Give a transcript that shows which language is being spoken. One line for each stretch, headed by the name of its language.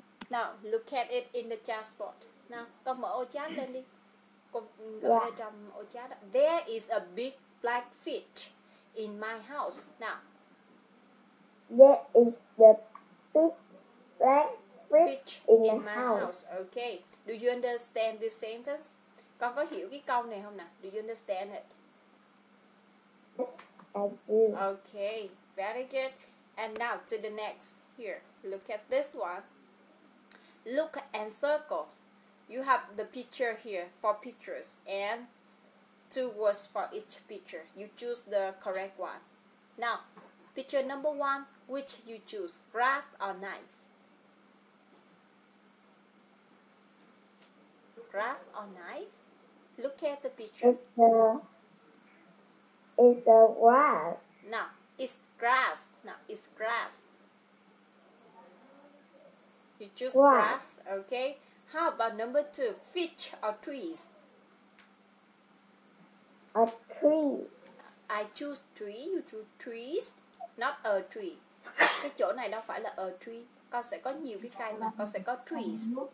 English: Now look at it in the chessboard. Now,
Vietnamese: con mở ô chat lên đi. Con gửi ra trong ô chat đó.
English: There is a big black fish in my house. Now, there is the big black fish in my house. Okay. Do you understand this sentence?
Vietnamese: Con có hiểu cái câu này không nào?
English: Do you understand it? Okay, very good. And now to the next here. Look at this one. Look and circle. You have the picture here, four pictures, and two words for each picture. You choose the correct one. Now, picture number one, which you choose, grass or knife? Grass or knife? Look at the picture. It's a grass. No, it's grass. No, it's grass. You choose grass, okay? How about number two, fish or trees? A tree. I choose tree, you choose trees, not a tree.
Vietnamese: Cái chỗ này đâu phải là
English: a tree.
Vietnamese: Con sẽ có nhiều cái cây mà, con sẽ có trees.